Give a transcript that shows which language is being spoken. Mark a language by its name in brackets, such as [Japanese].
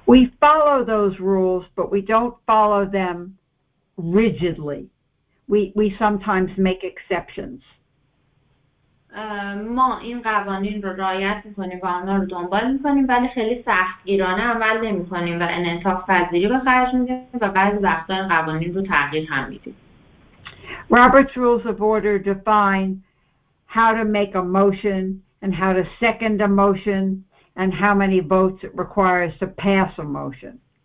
[English] We follow those rules but we don't follow them rigidly. We sometimes make exceptions. [Persian] ما این قوانین رو رعایت میکنیم و آنها رو دنبال میکنیم ولی خیلی سختگیرانه عمل نمیکنیم و انعطاف پذیری به خرج میدیم و بعضی وقتا این قوانین رو تغییر هم میدیم. [English] Robert's rules of order define how to make a motion and how to second a motion and how many votes it requires to pass a motion.